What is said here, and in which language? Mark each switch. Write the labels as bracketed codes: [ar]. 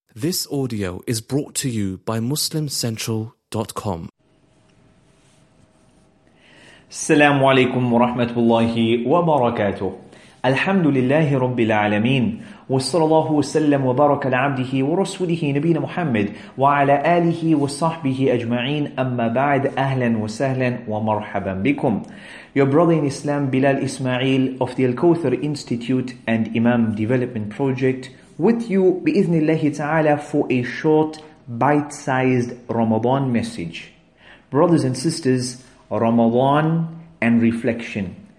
[en] This audio is brought to you by MuslimCentral.com. [ar] السلام عليكم ورحمة الله وبركاته. الحمد لله رب العالمين وصلى الله وسلم وبارك على عبده ورسوله نبينا محمد وعلى آله وصحبه أجمعين. أما بعد أهلا وسهلا ومرحبا بكم. [en] Your brother in Islam Bilal Ismail of the Al-Kawthar Institute and Imam Development Project with you [ar] بإذن الله تعالى [en] for a short bite-sized Ramadan message. Brothers and sisters, Ramadan and reflection.